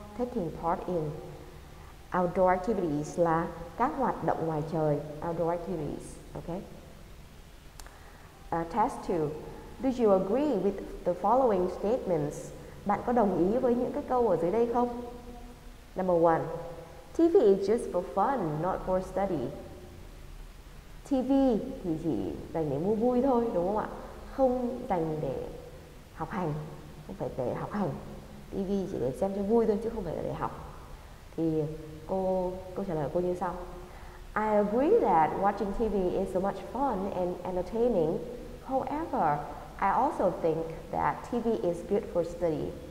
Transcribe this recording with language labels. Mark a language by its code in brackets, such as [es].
[en] Taking part in outdoor activities [vi] là các hoạt động ngoài trời. [en] Outdoor activities, okay. Test 2. Do you agree with the following statements? [vi] Bạn có đồng ý với những cái câu ở dưới đây không? [en] Number 1. TV is just for fun, not for study. [vi] TV thì chỉ dành để mua vui thôi, đúng không ạ? Không dành để học hành, không phải để học hành. TV chỉ để xem cho vui thôi chứ không phải để học. Thì câu trả lời của cô như sau. [en] I agree that watching TV is so much fun and entertaining. However, I also think that TV is good for study.